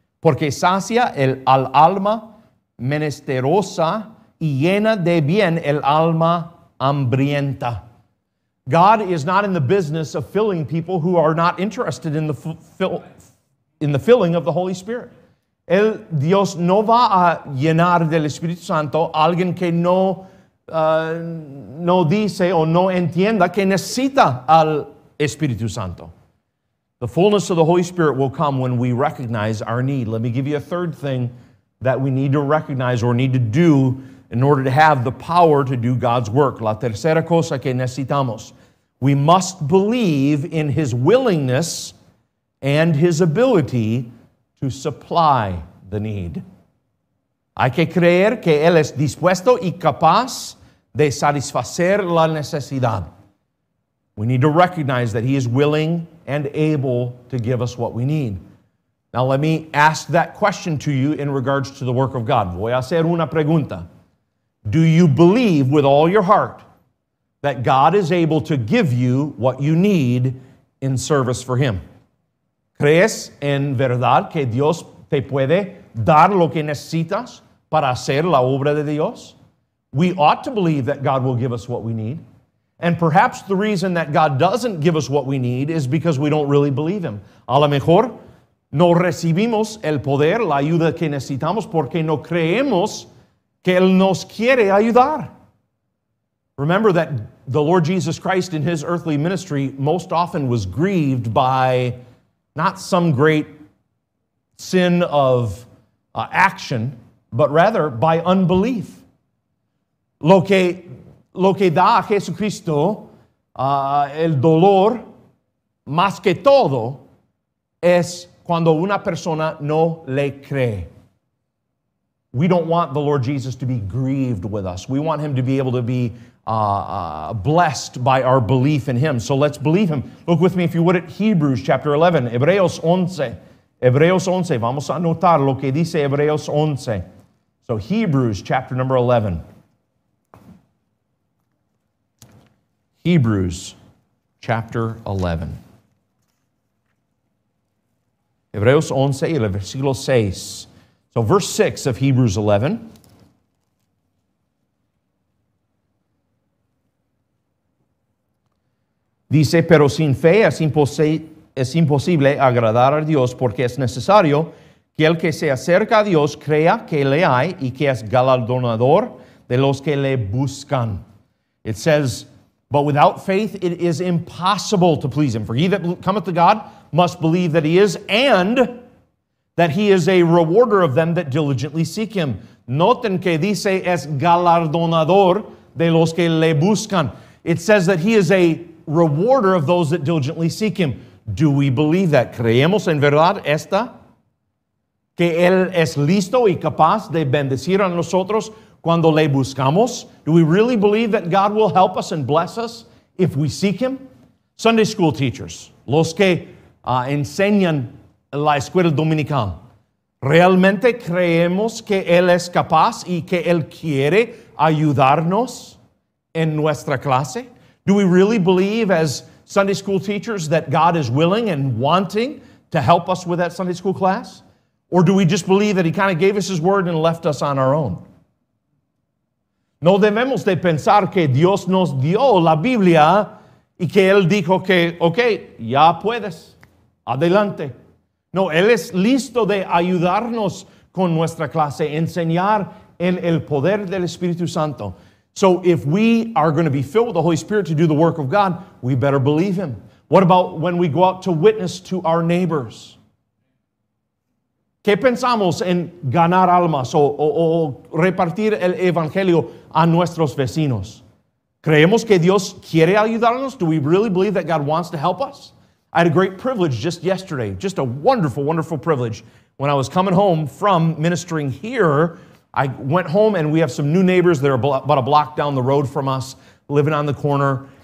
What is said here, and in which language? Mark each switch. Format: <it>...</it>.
<es>porque sacia el al alma menesterosa y llena de bien el alma hambrienta.</es> <en>God is not in the business of filling people who are not interested in the filling of the Holy Spirit.</en> <es>El Dios no va a llenar del Espíritu Santo a alguien que no dice o no entienda que necesita al Espíritu Santo.</es> <en>The fullness of the Holy Spirit will come when we recognize our need. Let me give you a third thing that we need to recognize or need to do in order to have the power to do God's work.</en> <es>La tercera cosa que necesitamos.</es> <en>We must believe in His willingness and His ability to supply the need.</en> <es>Hay que creer que Él es dispuesto y capaz de satisfacer la necesidad.</es> <en>We need to recognize that He is willing and able to give us what we need. Now let me ask that question to you in regards to the work of God.</en> <es>Voy a hacer una pregunta.</es> <en>Do you believe with all your heart that God is able to give you what you need in service for Him?</en> <es>¿Crees en verdad que Dios te puede dar lo que necesitas para hacer la obra de Dios?</es> <en>We ought to believe that God will give us what we need. And perhaps the reason that God doesn't give us what we need is because we don't really believe Him.</en> <es>A lo mejor no recibimos el poder, la ayuda que necesitamos, porque no creemos que Él nos quiere ayudar.</es> <en>Remember that the Lord Jesus Christ in His earthly ministry most often was grieved by not some great sin of action, but rather by unbelief.</en> <es>Lo que da a Jesucristo el dolor más que todo es cuando una persona no le cree.</es> <en>We don't want the Lord Jesus to be grieved with us. We want Him to be able to be blessed by our belief in Him. So let's believe Him. Look with me, if you would, at Hebrews chapter 11, Hebreos 11.</en> <es>Hebreos 11. Vamos a anotar lo que dice Hebreos 11.</es> <en>So Hebrews chapter number 11. Hebrews chapter 11.</en> <es>Hebreos 11 y el versículo 6.</es> <en>So verse 6 of Hebrews 11.</en> <es>Dice, pero sin fe es imposible agradar a Dios, porque es necesario que el que se acerca a Dios crea que le hay y que es galardonador de los que le buscan.</es> <en>It says, but without faith it is impossible to please Him. For he that cometh to God must believe that He is, and that He is a rewarder of them that diligently seek Him.</en> <es>Noten que dice es galardonador de los que le buscan.</es> <en>It says that He is a rewarder of those that diligently seek Him. Do we believe that?</en> <es>¿Creemos en verdad esta? Que Él es listo y capaz de bendecir a nosotros cuando le buscamos.</es> <en>Do we really believe that God will help us and bless us if we seek Him? Sunday school teachers,</en> <es>los que enseñan la escuela dominical, ¿realmente creemos que Él es capaz y que Él quiere ayudarnos en nuestra clase?</es> <en>Do we really believe as Sunday school teachers that God is willing and wanting to help us with that Sunday school class? Or do we just believe that He kind of gave us His word and left us on our own?</en> <es>No debemos de pensar que Dios nos dio la Biblia y que Él dijo que, ok, ya puedes, adelante. No, Él es listo de ayudarnos con nuestra clase, enseñar en el poder del Espíritu Santo.</es> <en>So if we are going to be filled with the Holy Spirit to do the work of God, we better believe Him. What about when we go out to witness to our neighbors?</en> <es>¿Qué pensamos en ganar almas o repartir el evangelio a nuestros vecinos? ¿Creemos que Dios quiere ayudarnos?</es> <en>Do we really believe that God wants to help us? I had a great privilege just yesterday, just a wonderful, wonderful privilege. When I was coming home from ministering here, I went home and we have some new neighbors that are about a block down the road from us, living on the corner.</en>